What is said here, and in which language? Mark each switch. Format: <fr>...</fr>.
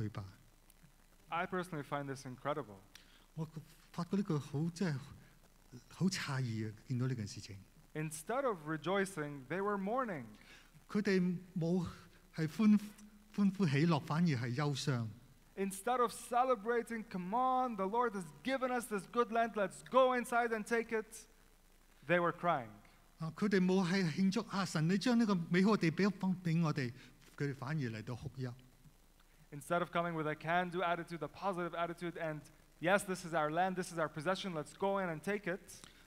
<zh>以色列眾人向摩西、阿倫發怨言，全會眾對他們說：巴不得我們早死在埃及地，或是死在這曠野。耶和華為什麼把我們領到那地，使我們倒在刀下呢？我們的妻子和孩子必被掳掠，我們回埃及去，豈不好嗎？眾人彼此說：我們不如立一個首領回埃及去吧。</zh> <en>I personally find this incredible.</en> <zh>我發覺這個很詫異，看到這件事情。</zh> <en>Instead of rejoicing, they were mourning.</en> <zh>他們沒有歡呼喜樂，反而是憂傷。</zh> <en>Instead of celebrating, come on, the Lord has given us this good land, let's go inside and take it, they were crying.</en> <zh>他們沒有慶祝，神，你將這個美好地給我們，他們反而來到哭泣。</zh> <en>Instead of coming with a can-do attitude, a positive attitude, and yes, this is our land, this is our possession, let's go in and take it.</en>